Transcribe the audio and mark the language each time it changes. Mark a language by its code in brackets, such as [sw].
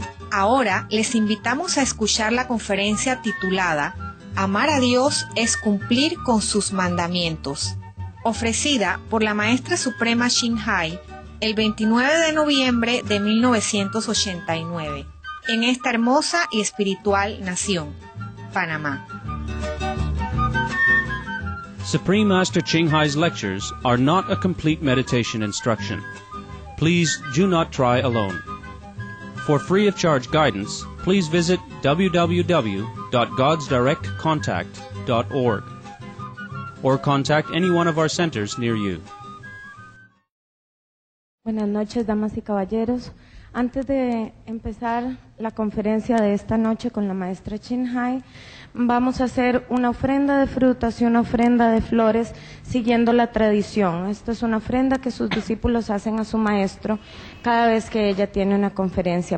[es] Ahora les invitamos a escuchar la conferencia titulada Amar a Dios es cumplir con sus mandamientos, ofrecida por la Maestra Suprema Shin Hai el 29 de noviembre de 1989 en esta hermosa y espiritual nación, Panamá. [en] Supreme Master Ching Hai's lectures are not a complete meditation instruction. Please do not try alone. For free of charge guidance, please visit www.godsdirectcontact.org or contact any one of our centers near you. [es] Buenas noches, damas y caballeros. Antes de empezar la conferencia de esta noche con la maestra Ching Hai, vamos a hacer una ofrenda de frutas y una ofrenda de flores siguiendo la tradición. Esta es una ofrenda que sus discípulos hacen a su maestro cada vez que ella tiene una conferencia.